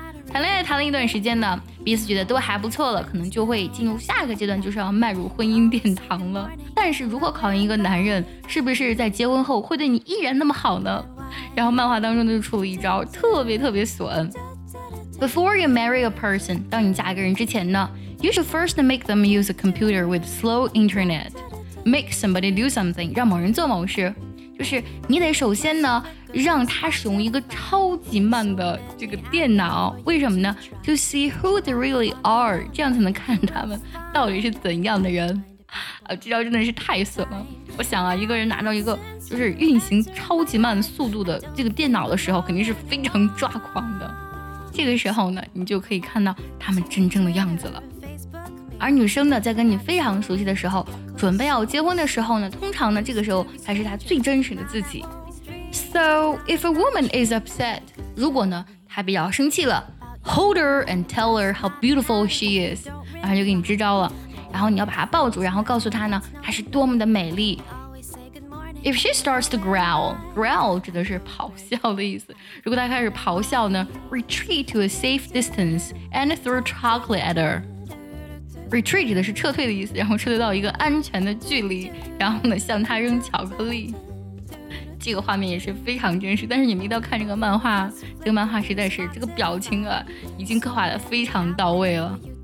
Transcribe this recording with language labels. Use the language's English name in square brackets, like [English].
[Chinese] 谈恋爱谈了一段时间呢，彼此觉得都还不错了，可能就会进入下个阶段，就是要迈入婚姻殿堂了。但是如何考验一个男人是不是在结婚后会对你依然那么好呢？然后漫画当中就出了一招特别特别损。 [English] Before you marry a person， [Chinese] 当你嫁一个人之前呢， [English] You should first make them use a computer with slow internet， Make somebody do something， [Chinese] 让某人做某事。就是你得首先呢让他使用一个超级慢的这个电脑，为什么呢？ [English] To see who they really are， [Chinese] 这样才能看他们到底是怎样的人。这招真的是太损了。我想啊，一个人拿到一个就是运行超级慢速度的这个电脑的时候，肯定是非常抓狂的。这个时候呢，你就可以看到他们真正的样子了。而女生呢，在跟你非常熟悉的时候，准备要结婚的时候呢，通常呢，这个时候才是她最真实的自己。 [English] So if a woman is upset， [Chinese] 如果呢她比较生气了 ， [English] hold her and tell her how beautiful she is， [Chinese] 然后就给你支招了，然后你要把她抱住，然后告诉她呢她是多么的美丽。 [English] If she starts to growl [Chinese] 指的是咆哮的意思。如果她开始咆哮呢 [English] ，retreat to a safe distance and throw chocolate at her。 [Chinese] Retreat 指的是撤退的意思，然后撤退到一个安全的距离，然后呢向他扔巧克力。这个画面也是非常真实，但是你们一定要看这个漫画，这个漫画实在是这个表情啊已经刻画得非常到位了。